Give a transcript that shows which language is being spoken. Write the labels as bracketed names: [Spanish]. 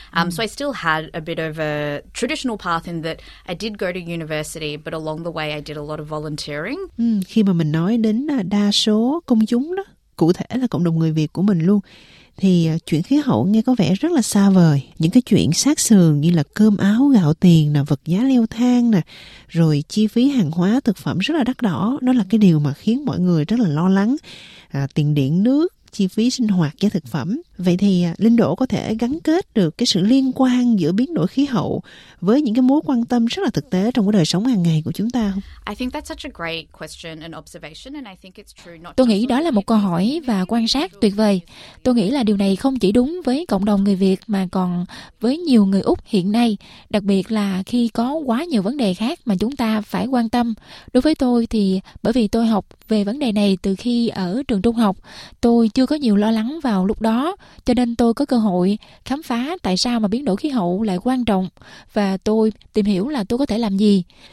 [English] So I still had a bit of a traditional path in that I did go to university, but along the way I did a lot of volunteering. [Vietnamese] Khi mà mình nói đến đa số công chúng đó, cụ thể là cộng đồng người Việt của mình luôn, thì chuyện khí hậu nghe có vẻ rất là xa vời. Những cái chuyện sát sườn như là cơm áo gạo tiền nè, vật giá leo thang nè, rồi chi phí hàng hóa thực phẩm rất là đắt đỏ, nó là cái điều mà khiến mọi người rất là lo lắng. Tiền điện nước, chi phí sinh hoạt, giá thực phẩm, Vậy thì Linh Đỗ có thể gắn kết được cái sự liên quan giữa biến đổi khí hậu với những cái mối quan tâm rất là thực tế trong cái đời sống hàng ngày của chúng ta không? [English] I think that's such a great question and observation, and I think it's true. [Vietnamese] Tôi nghĩ đó là một câu hỏi và quan sát tuyệt vời. Tôi nghĩ là điều này không chỉ đúng với cộng đồng người Việt mà còn với nhiều người Úc hiện nay, đặc biệt là khi có quá nhiều vấn đề khác mà chúng ta phải quan tâm. Đối với tôi thì bởi vì tôi học về vấn đề này từ khi ở trường trung học, tôi chưa có nhiều lo lắng vào lúc đó, cho nên tôi có cơ hội khám phá tại sao mà biến đổi khí hậu lại quan trọng và tôi tìm hiểu là tôi có thể làm gì.